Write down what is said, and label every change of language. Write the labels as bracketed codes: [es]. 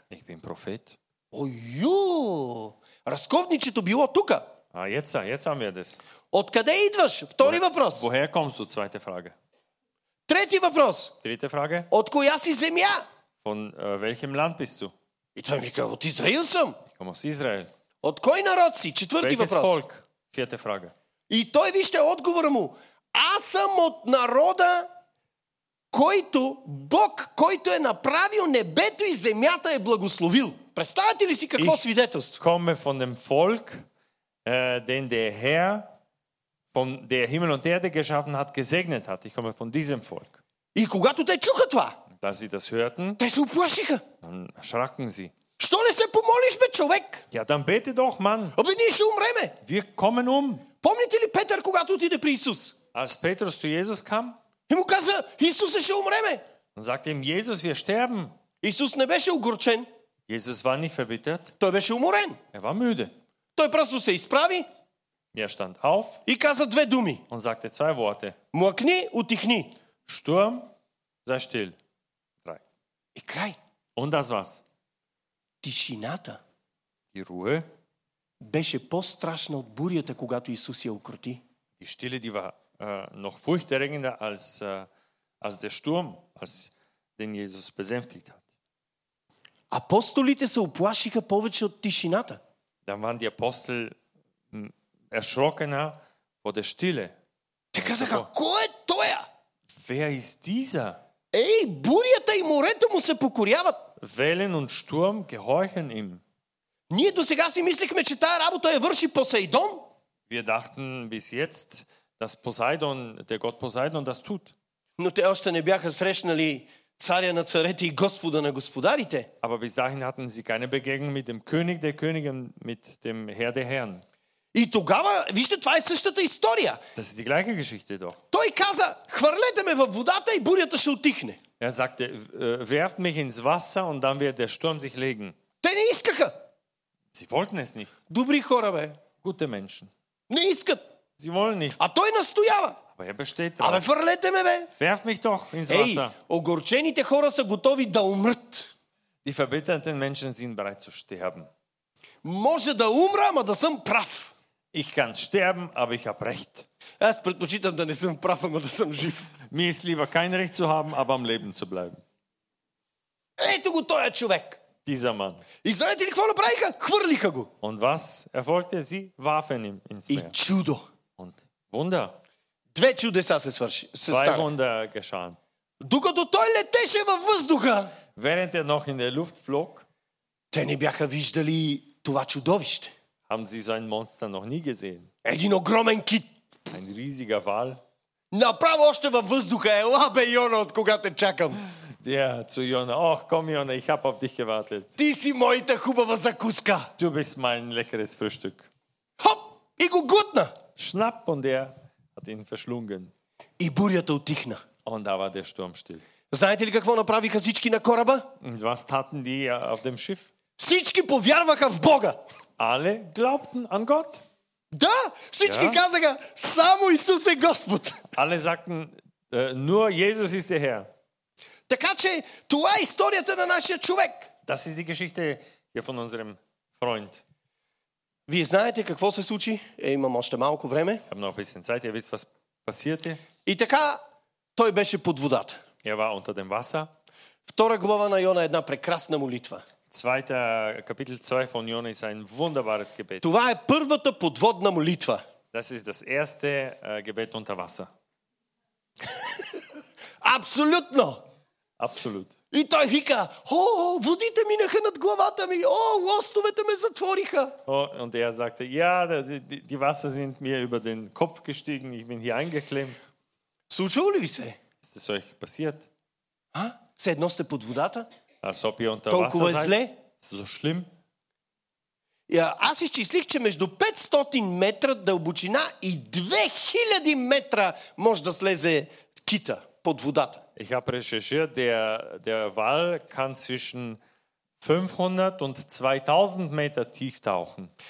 [de] Ich bin Prophet. [bg] Ойо! Разковничето било тук. [de] А, jetzt haben wir das. [bg] Откъде идваш? Втори въпрос. [de] Woher kommst du? Zweite Frage. [bg] Трети въпрос. [de] Dritte Frage. [bg] От коя си земя? [de] Von welchem Land bist du? [bg] И той ми каза, от Израил съм. [de] Ich komme aus Israel. [bg] От кой народ си? Четвърти [de] Welches [bg] въпрос. [de] Volk? Vierte Frage. [bg] И той вижте отговора му. Аз съм от народа, който Бог, който е направил небето и земята, е благословил. Представяте ли си какво [de] ich [bg] свидетелство? [de] Komme von dem Volk, den der Herr, von der Himmel und Erde geschaffen hat, gesegnet hat. Ich komme von diesem Volk. [bg] И когато те чуха това, [de] da sie das hörten, [bg] те се уплашиха. [de] Dann erschraken sie. [bg] Що не се помолиш, бе, човек? [de] Ja, dann bete doch, Mann. [bg] Аби ние ще умреме. [de] Wir kommen um. [bg] Помните ли Петър, когато отиде при Исус? [de] Als Petrus zu Jesus kam, [bg] и му каза, Исус ще умреме. [de] Und sagte ihm, Jesus, wir sterben. [bg] Исус не беше огорчен. [de] Jesus war nicht verbittert. [bg] Той беше уморен. [de] Er war müde. [bg] Той просто се изправи. [de] Er stand auf. [bg] Ich kaza dve dumi. [de] Und sagte zwei Worte. [bg] Mokni, utichni. [de] Sturm, sei still. Drei. [bg] И край. [de] Und das war's. [bg] Тишината. [de] Die Ruhe. [bg] Беше по-страшна от бурята, когато Исус я укроти. [de] Die Stille, die war noch furchterregender als als der Sturm, als den Jesus besänftigt hat. [bg] Апостолите се оплашиха повече от тишината. [de] Dann waren die Apostel erschrockener vor der Stille. [bg] Те казаха, кой е той? [de] Wer ist dieser? [bg] Ей, бурята и морето му се покоряват. [de] Wellen und Sturm gehorchen ihm. [bg] Ние до сега си мислихме, че тая работа я върши Посейдон. [de] Wir dachten bis jetzt, dass Poseidon, der Gott Poseidon, das tut. [bg] Но те още не бяха срещнали царя на царете и Господа на господарите. [de] Aber bis dahin hatten sie keine Begegnung mit dem König der Könige, mit dem Herr der Herren. [bg] И тогава, вижте, това е същата история. [de] Das ist die gleiche Geschichte doch. [bg] Той каза, хвърлете ме във водата и бурята ще утихне. [de] Er sagte, werft mich ins Wasser und dann wird der Sturm sich legen. [bg] Те не искаха. [de] Sie wollten es nicht. [bg] Добри хора, бе. [de] Gute Menschen. [bg] Не искат. [de] Sie wollen nicht. [bg] А той настоява. [de] Aber er besteht drauf. [bg] Aber хвърлете ме, бе. [de] Werft mich doch ins Wasser. [bg] Ей, огорчените хора са готови да умрат. [de] Die verbitterten Menschen sind bereit zu sterben. [bg] Може да умра, ама да съм прав. [de] Ich kann sterben, aber ich habe recht. [bg] Аз предпочитам да не съм прав, ама да съм жив. [de] Mir ist lieber kein Recht zu haben, aber am Leben zu bleiben. [bg] Ето го тоя човек. [de] Dieser Mann. [bg] И знаете ли какво направиха? Хвърлиха го. [de] Und was erfolgte? Sie warfen ihn ins Meer. [bg] И чудо. [de] Und Wunder. [bg] Две чудеса се свърши. [de] Zwei Wunder geschahen. [bg] Докато той летеше във въздуха. [de] Während er noch in der Luft flog. [bg] Те не бяха виждали това чудовище. [de] Haben Sie so ein Monster noch nie gesehen? [bg] Един огромен кит. [de] Ein riesiger Wal. [bg] Направо още във въздуха. Ела бе, Йона, от кога те чакам. [de] Ja, zu Jona. Oh, komm Jona, ich hab auf dich gewartet. [bg] Ти си моята хубава закуска. [de] Du bist mein leckeres Frühstück. [bg] Hop, и го гутна. [de] Schnapp, und er hat ihn verschlungen. [bg] И бурята утихна. [de] Und da war der Sturm still. [bg] Знаете ли какво направиха всички на кораба? [de] Und was taten die auf dem Schiff? [bg] Всички повярваха в Бога. [de] Alle glaubten an Gott. [bg] Да, всички казаха, само Исус е Господ. [de] Alle sagten, nur Jesus ist der Herr. [bg] Така че, това е историята на нашия човек. [de] Das ist die Geschichte hier von unserem Freund. [bg] Вие знаете какво се случи? Имам още малко време. [de] Ich habe noch ein bisschen Zeit, ihr wisst, was passierte. [bg] И така, той беше под водата. [de] Er war unter dem Wasser. [bg] Втора глава на Йона, една прекрасна молитва. [de] Zweiter Kapitel 2 von Jona ist ein wunderbares Gebet. [bg] Това е първата подводна молитва. [de] Das ist das erste Gebet unter Wasser. [bg] Абсолютно. Абсолют. И той вика: "О, водите минаха над главата ми. О, лостовете ме затвориха." [de] Oh, und er sagte: "Ja, die Wasser sind mir über den Kopf gestiegen. Ich bin hier eingeklemmt." [bg] Случило ли ви се? [de] Ist das euch passiert? [bg] А? Все едно сте под водата? [de] Als ob ihr unter Wasser seid. So schlimm. [bg] Ja, аз изчислих, че между 500 метра дълбочина и 2000 метра може да слезе кита под водата. [de] Ich habe recherchiert, der Wal kann zwischen 500 und 2000 Meter tief tauchen.